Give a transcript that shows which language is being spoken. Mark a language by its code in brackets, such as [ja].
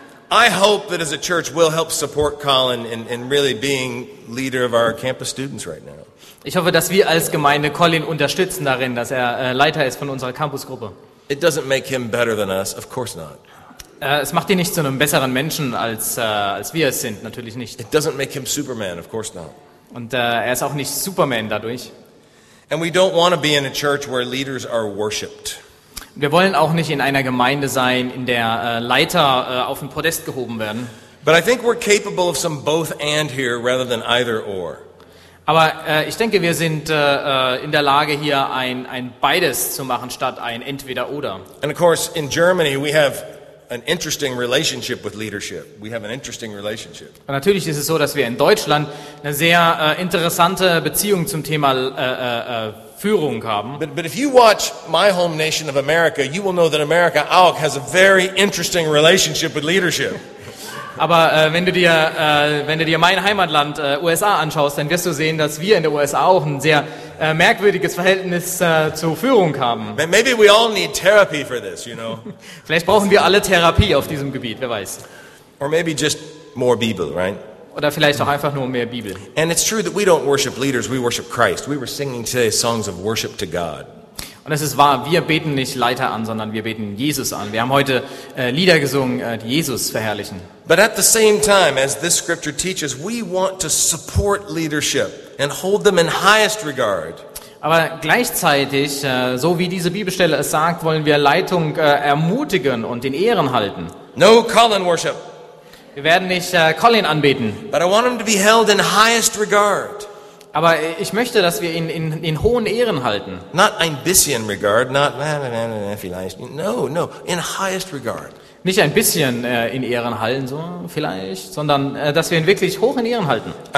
[en] I hope that as a church we'll help support Colin in really being leader of our campus students right now. [de] Ich hoffe, dass wir als Gemeinde Colin unterstützen darin, dass er Leiter ist von unserer Campusgruppe. [en] It doesn't make him better than us, of course not. [de] Es macht ihn nicht zu einem besseren Menschen als wir es sind, natürlich nicht. [en] It doesn't make him Superman, of course not. [de] Und er ist auch nicht Superman dadurch. [en] And we don't want to be in a church where leaders are worshipped. [de] Wir wollen auch nicht in einer Gemeinde sein, in der Leiter auf ein Podest gehoben werden. [en] But I think we're capable of some both and here rather than either or. [de] Aber ich denke, wir sind in der Lage, hier ein Beides zu machen, statt ein Entweder-Oder. [en] And of course, in Germany we have an interesting relationship with leadership. We have an interesting relationship. [de] Und natürlich ist es so, dass wir in Deutschland eine sehr interessante Beziehung zum Thema Führung haben. [en] But if you watch My Home Nation of America, you will know that America [de] auch [en] has a very interesting relationship with leadership. [de] Aber wenn du dir mein Heimatland USA anschaust, dann wirst du sehen, dass wir in der USA auch ein sehr merkwürdiges Verhältnis zur Führung haben. [en] Maybe we all need therapy for this, you know. [de] Vielleicht brauchen wir alle Therapie auf diesem Gebiet, wer weiß. [en] Or maybe just more Bible, right? [de] Oder vielleicht auch einfach nur mehr Bibel. [en] And it's true that we don't worship leaders, we worship Christ. We were singing today songs of worship to God. [de] Und es ist wahr, wir beten nicht Leiter an, sondern wir beten Jesus an. Wir haben heute Lieder gesungen, die Jesus verherrlichen. [en] But at the same time, as this scripture teaches, we want to support leadership and hold them in highest regard. [de] Aber gleichzeitig, so wie diese Bibelstelle es sagt, wollen wir Leitung ermutigen und in Ehren halten. [en] No Colin worship. [de] Wir werden nicht Colin anbeten. [en] But I want him to be held in highest regard. [de] Aber ich möchte, dass wir ihn in hohen Ehren halten. [en] Not [de] ein bisschen [en] regard, not [de] na, vielleicht. [en] No, in highest regard. [de] Nicht ein bisschen in Ehren halten, so vielleicht, sondern dass wir ihn wirklich hoch in Ehren halten.